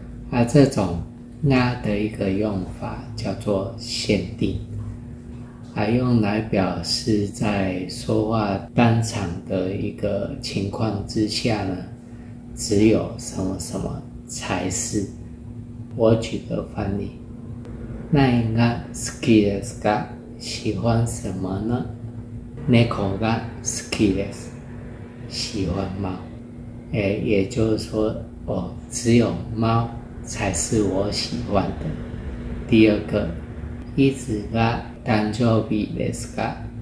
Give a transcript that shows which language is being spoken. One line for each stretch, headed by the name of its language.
Chinese: 而这种那的一个用法叫做限定，而用来表示在说话当场的一个情况之下呢，只有什么什么才是。我举个范例，
Japanese: 何が好きですか？
Chinese: 喜欢什么呢？
Japanese: 猫が好きです。
Chinese: 喜欢猫。也就是说，哦，只有猫才是我喜欢的。第二个，
Japanese: いつが誕生日ですか？